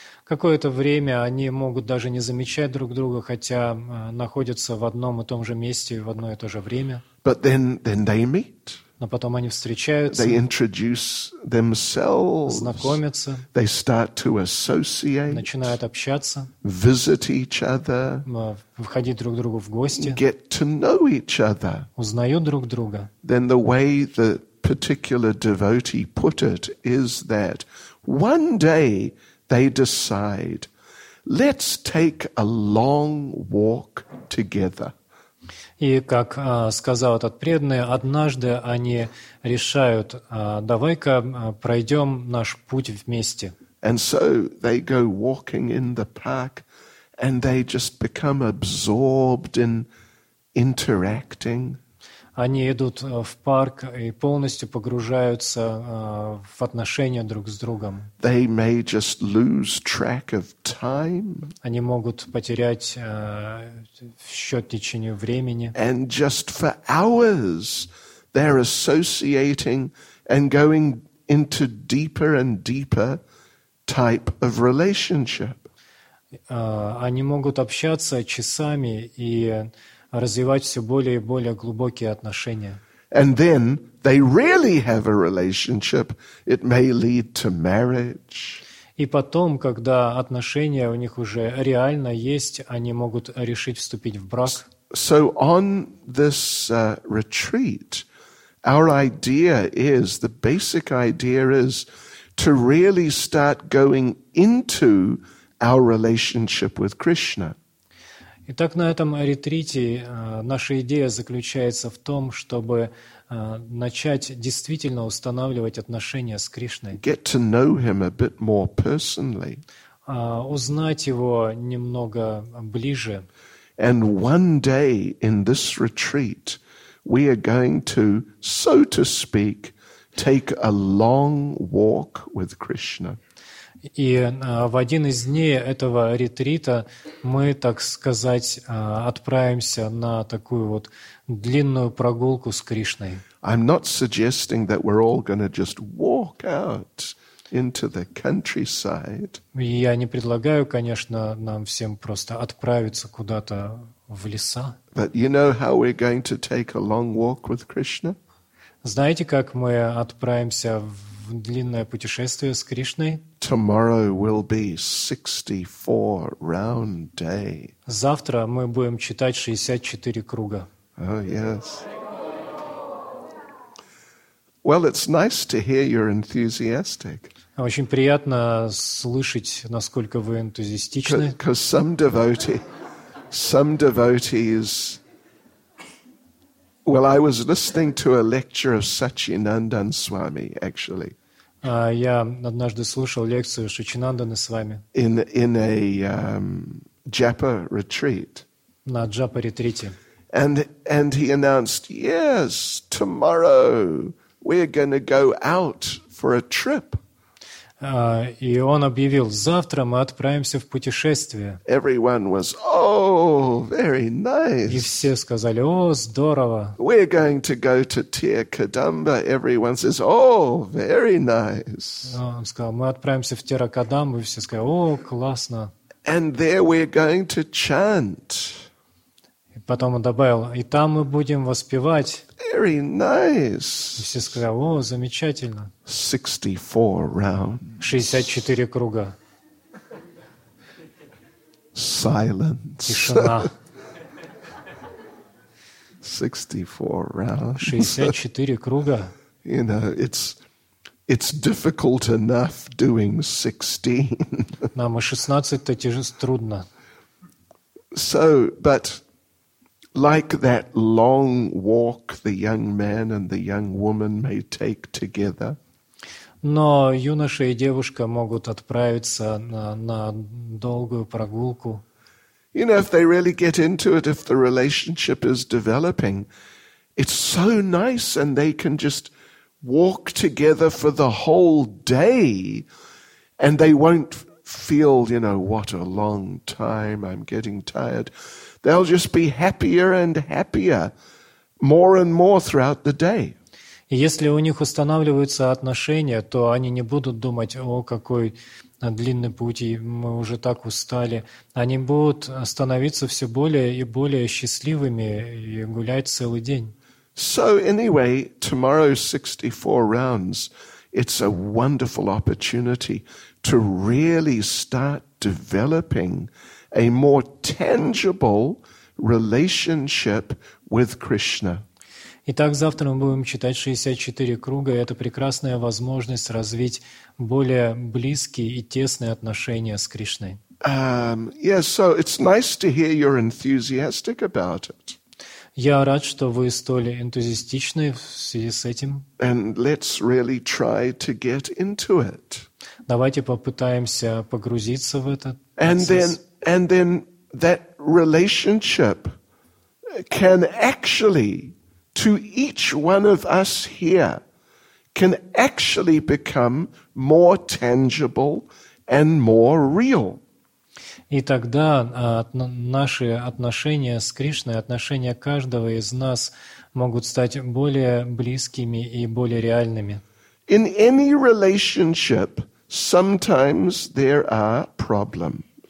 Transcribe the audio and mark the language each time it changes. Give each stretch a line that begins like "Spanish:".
Russian: Какое-то время они могут даже не замечать друг друга, хотя находятся в одном и том же месте в одно и то же время.
English: But then they meet.
Russian: Но потом они встречаются.
English: They introduce themselves.
Russian: Знакомятся.
English: They start to associate.
Russian: Начинают общаться.
English: Visit each other.
Russian: Входить друг к другу в гости.
English: Get to know each other.
Russian: Узнают друг друга.
English: Then the way the particular devotee put it is that one day they decide, let's take a long walk together.
Russian: И как сказал этот преданный, однажды они решают, давай-ка пройдем наш путь вместе.
English: And so they go walking in the park, and they just become absorbed in interacting.
Russian: Они идут в парк и полностью погружаются в отношения друг с другом.
English: They may just lose track of time.
Russian: Они могут потерять счет течению времени.
English: And just for hours they're associating and going into deeper and deeper type of relationship.
Russian: Они могут общаться часами и развивать все более и более глубокие отношения.
English: And then they really have a relationship. It may lead to marriage.
Russian: И потом, когда отношения у них уже реально есть, они могут решить вступить в брак.
English: So on this retreat, our idea is, the basic idea is to really start going into our relationship with Krishna.
Russian: Итак, на этом ретрите наша идея заключается в том, чтобы начать действительно устанавливать отношения с Кришной.
English: Get to know him a bit more personally.
Russian: Узнать его немного ближе.
English: And one day in this retreat we are going to, so to speak, take a long walk with Krishna.
Russian: И в один из дней этого ретрита мы, так сказать, отправимся на такую вот длинную прогулку с Кришной.
English: I'm not suggesting that we're all going to just walk out into the countryside.
Russian: Я не предлагаю, конечно, нам всем просто отправиться куда-то в леса.
English: But you know how we're going to take a long walk with Krishna?
Russian: Знаете, как мы отправимся в длинное путешествие с Кришной?
English: Tomorrow will be 64 round day.
Russian: Завтра мы будем читать 64 круга.
English: Oh, yes. Well, it's nice to hear you're enthusiastic.
Russian: Очень приятно слышать, насколько вы энтузиастичны.
English: Because some devotees... Well, I was listening to a lecture of Satchinandan Swami, actually.
Russian: Я однажды слушал лекцию Шичинанданы с вами.
English: In a Japa retreat.
Russian: На Japa ретрите.
English: And he announced, yes, tomorrow we're going to go out for a trip.
Russian: И он объявил, завтра мы отправимся в путешествие.
English: Everyone was, oh, very nice.
Russian: И все сказали, о, здорово.
English: We're going to go to Tir Kadamba. Everyone says, oh, very nice.
Russian: Он сказал, мы отправимся в Тир Кадамбу. И все сказали, о, классно.
English: And there we're going to chant.
Russian: И потом он добавил, и там мы будем воспевать.
English: Very nice.
Russian: И все сказали, о, замечательно.
English: 64 rounds.
Russian: 64 круга.
English: Silence.
Russian: Тишина.
English: 64 rounds.
Russian: 64 круга.
English: You know, it's difficult enough doing 16.
Russian: Нам и 16-то тяжело, трудно.
English: So, but like that long walk the young man and the young woman may take together.
Russian: Но юноша и девушка могут отправиться на долгую прогулку.
English: You know, if they really get into it, if the relationship is developing, it's so nice and they can just walk together for the whole day and they won't feel, you know, what a long time, I'm getting tired. They'll just be happier and happier, more and more throughout the day.
Russian: Если у них устанавливаются отношения, то они не будут думать, о, какой длинный путь, и мы уже так устали. Они будут становиться все более и более счастливыми и гулять целый день.
English: So anyway, tomorrow's 64 rounds, it's a wonderful opportunity to really start developing a more tangible relationship with Krishna.
Russian: Итак, завтра мы будем читать 64 круга, и это прекрасная возможность развить более близкие и тесные отношения с Кришной.
English: So it's nice to hear you're enthusiastic about it.
Russian: Я рад, что вы столь энтузиастичны в связи с этим.
English: And let's really try to get into it.
Russian: Давайте попытаемся погрузиться в этот процесс.
English: And then that relationship can actually, to each one of us here, can actually become more tangible and more real.
Russian: И тогда наши отношения с Кришной, отношения каждого из нас могут стать более близкими и более реальными.
English: In any relationship, sometimes there are problems.